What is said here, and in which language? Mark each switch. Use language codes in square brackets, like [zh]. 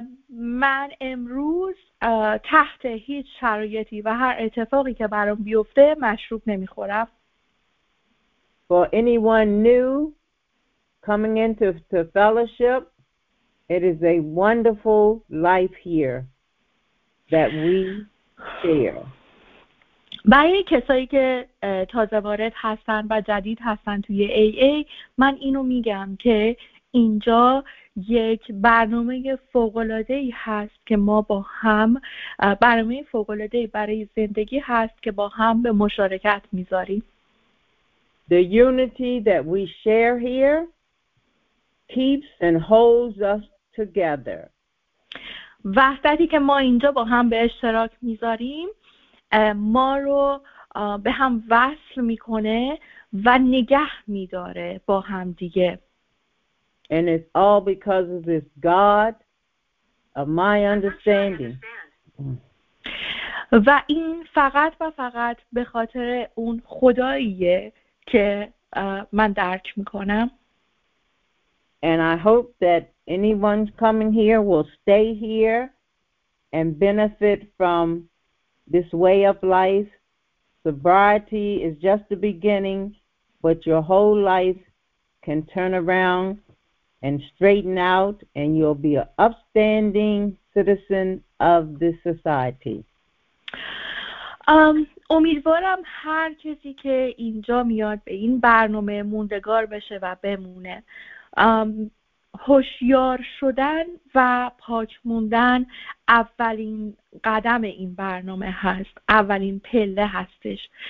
[fa] من امروز تحت هیچ شرایطی و هر اتفاقی که برام بیفته مشروب نمیخورم. [en] For anyone new coming into the fellowship, it is a wonderful life here that we share. [fa] برای کسایی که تازه وارد هستن و جدید هستن توی AA، من اینو میگم که اینجا یک برنامه فوق‌العاده‌ای هست که ما با هم، برنامه فوق‌العاده‌ای برای زندگی هست که با هم به مشارکت میذاریم. [en] The unity that we share here keeps and holds us together. [fa] وحدتی که ما اینجا با هم به اشتراک میذاریم ما رو به هم وصل میکنه و نگه میداره با هم دیگه. [en] And it's all because of this God of my understanding. [fa] و این فقط و فقط به خاطر اون خداییه که من درک میکنم. [en] And I hope that anyone coming here will stay here and benefit from this way of life. Sobriety is just the beginning, but your whole life can turn around and straighten out, and you'll be an upstanding citizen of this society. [fa] امیدوارم هر کسی که اینجا میاد به این برنامه موندگار بشه و بمونه. هوشیار شدن و پاک موندن اولین قدم این برنامه هست، اولین پله هستش.